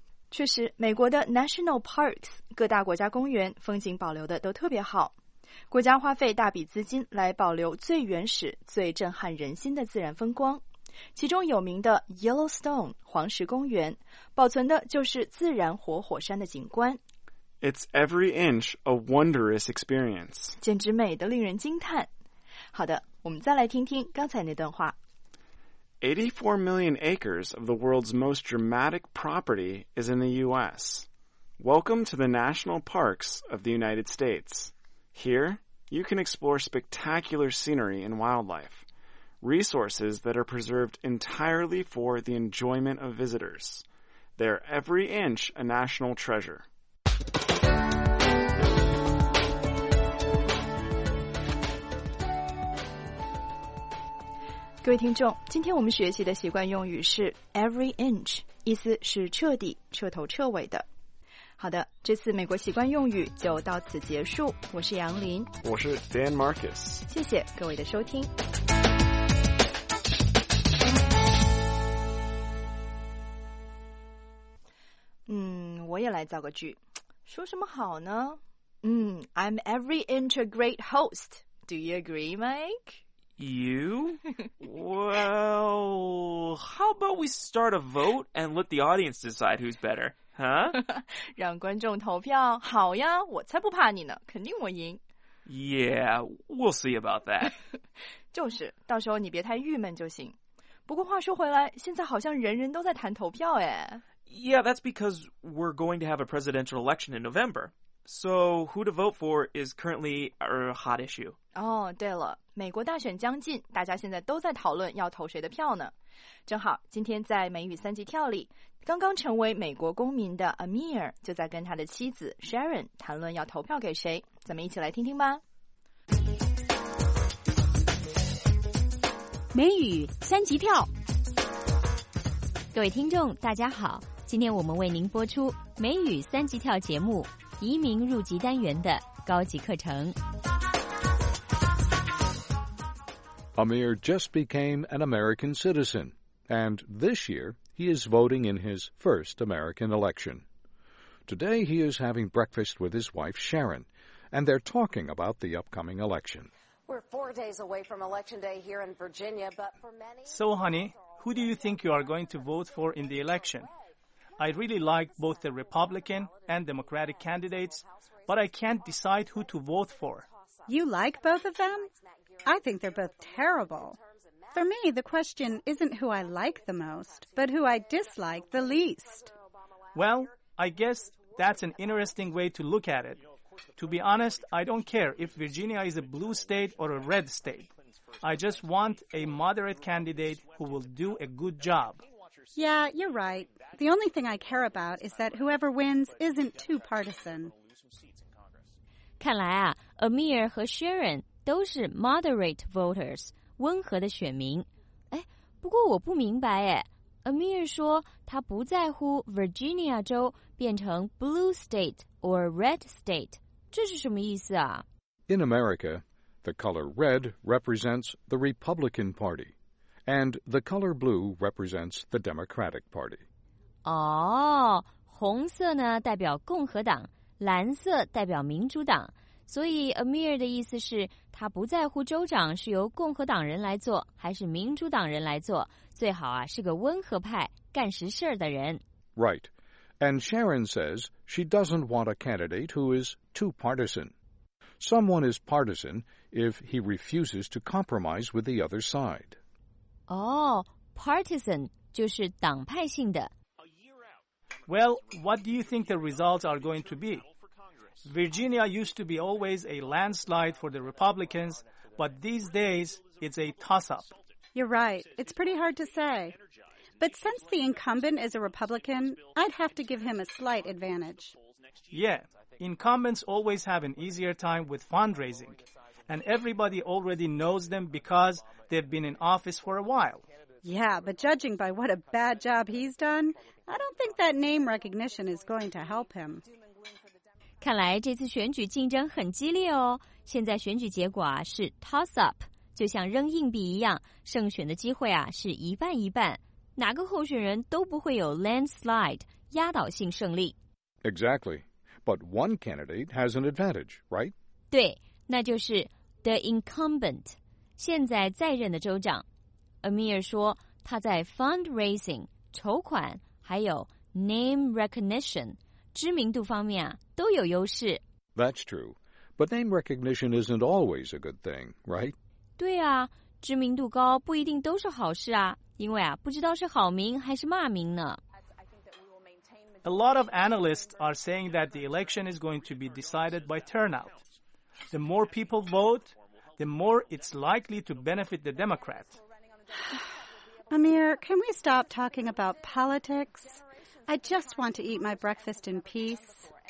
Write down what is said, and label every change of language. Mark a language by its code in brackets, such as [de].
[zh] 确实，美国的 National Parks 各大国家公园风景保留的都特别好，国家花费大笔资金来保留最原始、最震撼人心的自然风光。其中有名的 Yellowstone 黄石公园保存的就是自然活火山的景观。 [en] It's every inch a wondrous experience. [zh] 简直美得令人惊叹。好的，我们再来听听刚才那段话。 [en] 84 million acres of the world's most dramatic property is in the U.S. Welcome to the national parks of the United States. Here, you can explore spectacular scenery and wildlife. Resources that are preserved entirely for the enjoyment of visitors. They're every inch a national treasure. [zh] 各位听众，今天我们学习的习惯用语是 every inch, 意思是彻底、彻头彻尾的。好的，这次美国习惯用语就到此结束。我是杨林，我是 Dan Marcus。谢谢各位的收听。我也来造个句，说什么好呢？ [en] I'm every inch a great host. Do you agree, Mike? You? Well, how about we start a vote and let the audience decide who's better, huh? [zh] 让观众投票，好呀，我才不怕你呢，肯定我赢。 [en] Yeah, we'll see about that. [zh] 就是，到时候你别太郁闷就行。不过话说回来，现在好像人人都在谈投票哎。 [en] Yeah, that's because we're going to have a presidential election in November. So, who to vote for is currently our hot issue. [zh] Oh, 对了，美国大选将近，大家现在都在讨论要投谁的票呢。正好，今天在美语三级跳里，刚刚成为美国公民的 Amir 就在跟他的妻子 Sharon 谈论要投票给谁。咱们一起来听听吧。美语三级跳。各位听众，大家好。今天我们为您播出美语三级跳节目移民入籍单元的高级课程。 [en] Amir just became an American citizen, and this year he is voting in his first American election. Today he is having breakfast with his wife Sharon, and they're talking about the upcoming election. We're 4 days away from Election Day here in Virginia, but for many... So, honey, who do you think you are going to vote for in the election? I really like both the Republican and Democratic candidates, but I can't decide who to vote for. You like both of them? I think they're both terrible. For me, the question isn't who I like the most, but who I dislike the least. Well, I guess that's an interesting way to look at it. To be honest, I don't care if Virginia is a blue state or a red state. I just want a moderate candidate who will do a good job. Yeah, you're right. The only thing I care about is that whoever wins isn't too partisan. [zh] 看来啊 ,Amir 和 Sharon 都是 moderate voters, 温和的选民。哎，不过我不明白哎。 Amir 说他不在乎 Virginia 州变成 [en] blue state or red state, [zh] 这是什么意思啊 [en] ?In America, the color red represents the Republican Party, and the color blue represents the Democratic Party. [zh] 哦，红色呢代表共和党，蓝色代表民主党，所以 Amir 的意思是他不在乎州长是由共和党人来做还是民主党人来做，最好啊是个温和派干实事的人。 [en] Right. And Sharon says she doesn't want a candidate who is too partisan. Someone is partisan if he refuses to compromise with the other side. [zh] Partisan 就是党派性的。 [en] Well, what do you think the results are going to be? Virginia used to be always a landslide for the Republicans, but these days it's a toss-up. You're right. It's pretty hard to say. But since the incumbent is a Republican, I'd have to give him a slight advantage. Yeah, incumbents always have an easier time with fundraising, and everybody already knows them because they've been in office for a while. Yeah, but judging by what a bad job he's done, I don't think that name recognition is going to help him. [zh] 看来这次选举竞争很激烈哦。现在选举结果啊是 toss up, 就像扔硬币一样，胜选的机会啊是一半一半，哪个候选人都不会有 landslide, 压倒性胜利。 [en] Exactly. But one candidate has an advantage, right? [zh] 对，那就是 the incumbent, 现在在任的州长。 Amir 说他在 fundraising, 筹款还有 name recognition, 知名度方面啊都有优势。 [en] That's true. But name recognition isn't always a good thing, right? [zh] 对啊，知名度高不一定都是好事啊，因为啊不知道是好名还是骂名呢。 [en] A lot of analysts are saying that the election is going to be decided by turnout. The more people vote, the more it's likely to benefit the Democrats. Amir, can we stop talking about politics? I just want to eat my breakfast in peace.